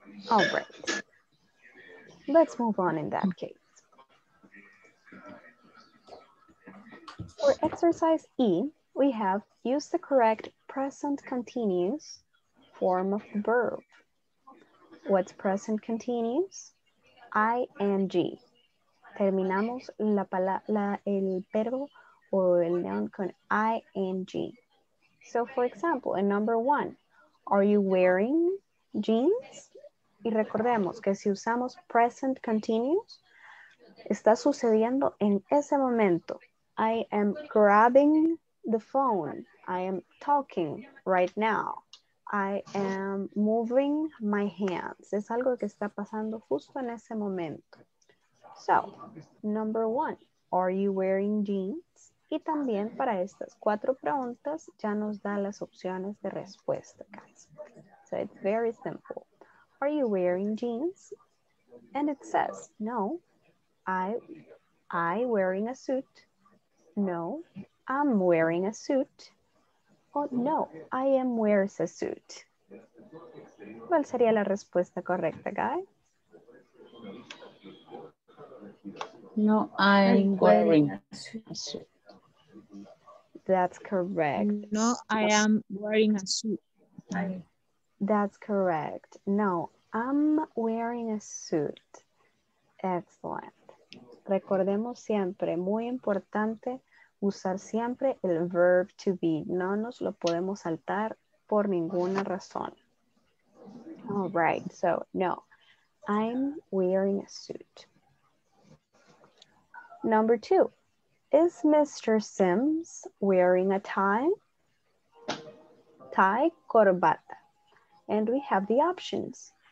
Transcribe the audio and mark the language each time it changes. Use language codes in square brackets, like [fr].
[en] All right, let's move on in that case. For exercise E, we have use the correct present continuous form of the verb. What's present continuous? ING. [es] Terminamos la palabra, el verbo o el noun con ING. [en] So for example, in number one, are you wearing jeans? [es] Y recordemos que si usamos present continuous, está sucediendo en ese momento. [en] I am grabbing the phone. I am talking right now. I am moving my hands. [es] Es algo que está pasando justo en ese momento. [en] So, number one, are you wearing jeans? [es] Y también para estas cuatro preguntas ya nos da las opciones de respuesta, guys. [en] So, it's very simple. Are you wearing jeans? And it says, no, I wearing a suit. No, I'm wearing a suit. Oh, no, I am wears a suit. ¿Cuál sería la respuesta correcta, guys? No, I'm wearing a suit. That's correct. No, I am wearing a suit. That's correct. No, I'm wearing a suit. Excellent. [es] Recordemos siempre, muy importante, usar siempre el verb to be. No nos lo podemos saltar por ninguna razón. [en] All right, so no, I'm wearing a suit. Number two, is Mr. Sims wearing a tie? Tie, corbata. And we have the options.